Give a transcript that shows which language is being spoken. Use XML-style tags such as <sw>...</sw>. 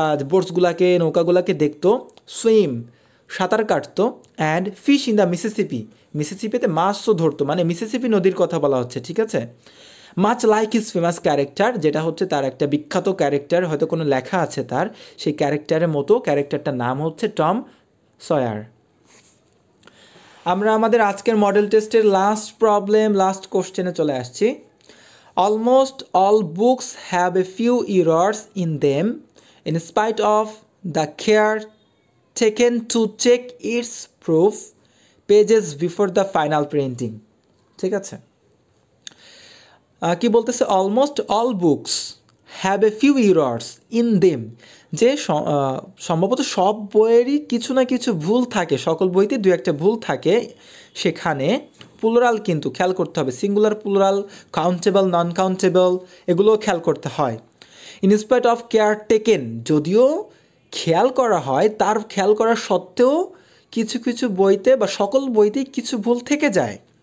<bn>বোটসগুলোকে নৌকাগুলোকে দেখতো, সুইম সাঁতার কাটতো,</bn> <en>and fish in the Mississippi,</en> <bn>মিসিসিপিতে মাছও ধরতো, মানে মিসিসিপি নদীর কথা বলা হচ্ছে, ঠিক আছে, মাছ</bn> <en>like his famous character,</en> <bn>যেটা হচ্ছে তার একটা বিখ্যাত ক্যারেক্টার, হয়তো কোনো লেখা আছে তার সেই ক্যারেক্টারের মতো, ক্যারেক্টারটার নাম হচ্ছে টম সয়ার। আমরা আমাদের আজকের মডেল টেস্টের লাস্ট প্রবলেম লাস্ট কোশ্চেনে চলে আসছি।</bn> <en>Almost all books have a few errors in them in spite of the care taken to check its proof pages before the final printing.</en> <bn>ঠিক আছে, কি বলতেছে,</bn> <en>Almost all books have a few errors in them.</en> <bn>যে সম্ভবত সব বইয়েরই কিছু না কিছু ভুল থাকে, সকল বইতে দুই একটা ভুল থাকে, সেখানে প্লুরাল কিন্তু খেয়াল করতে হবে, singular plural, countable non countable এগুলোও খেয়াল করতে হয়।</bn> <en>in spite of care taken,</en> <bn>যদিও খেয়াল করা হয় তার খেয়াল করা সত্ত্বেও কিছু কিছু বইতে বা সকল বইতেই কিছু ভুল থেকে যায়।</bn>